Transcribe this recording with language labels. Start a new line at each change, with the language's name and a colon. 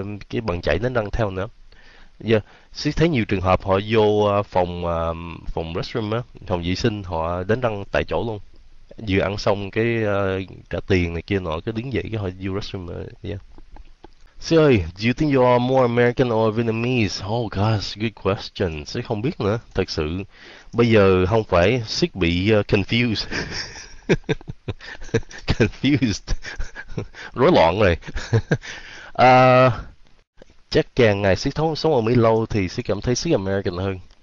Vietnamese: cái bàn chải đánh răng theo nữa giờ Sếp thấy nhiều trường hợp họ vô phòng phòng restroom á, phòng vệ sinh họ đánh răng tại chỗ luôn. Vừa ăn xong cái trả tiền này kia nọ cái đứng dậy cái họ vô restroom yeah. Sếp ơi,
English: do you think you are more American or Vietnamese? Oh gosh, good question.
Vietnamese: Sếp không biết nữa, thật sự. Bây giờ không phải sếp bị confused. Rối loạn rồi. Chắc càng ngày sẽ sống sống ở Mỹ lâu thì sẽ cảm thấy sức American hơn.